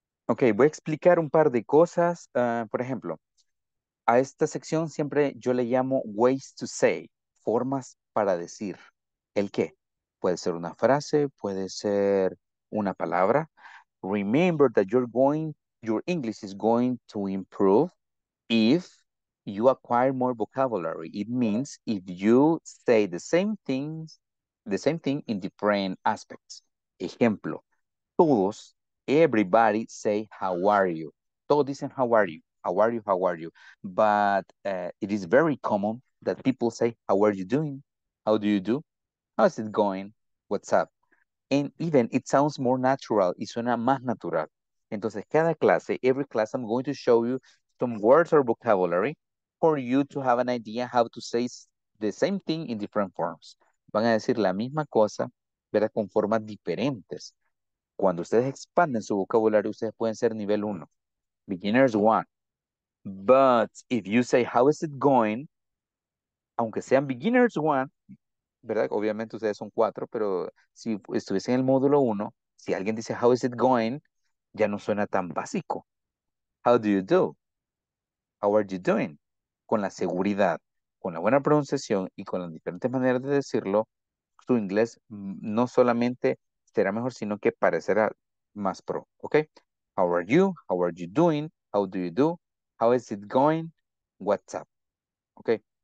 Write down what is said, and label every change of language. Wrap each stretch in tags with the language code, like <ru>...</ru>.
<es>Ok, voy a explicar un par de cosas. Por ejemplo, a esta sección siempre yo le llamo</es> <en>ways to say,</en> <es>formas para decir. ¿El qué? Puede ser una frase, puede ser una palabra.</es> <en>Remember that your English is going to improve if you acquire more vocabulary. It means if you say the same thing in different aspects.</en> <es>Ejemplo, todos.</es> <en>Everybody say, how are you?</en> <es>Todos dicen,</es> <en>how are you? How are you? How are you? But it is very common that people say, how are you doing? How do you do? How is it going? What's up? And even it sounds more natural.</en> <es>Y suena más natural. Entonces, cada clase,</es> <en>every class, I'm going to show you some words or vocabulary for you to have an idea how to say the same thing in different forms.</en> <es>Van a decir la misma cosa, ¿verdad? Con formas diferentes. Cuando ustedes expanden su vocabulario, ustedes pueden ser nivel 1.</es> <en>Beginners 1. But if you say, how is it going?</en> <es>Aunque sean beginners 1, ¿verdad? Obviamente ustedes son 4, pero si estuviesen en el módulo 1, si alguien dice,</es> <en>how is it going?</en> <es>Ya no suena tan básico.</es> <en>How do you do? How are you doing?</en> <es>Con la seguridad, con la buena pronunciación y con las diferentes maneras de decirlo, su inglés no solamente será mejor, sino que parecerá más pro, ¿ok?</es> <en>How are you? How are you doing? How do you do? How is it going? What's up? ¿Ok?</en>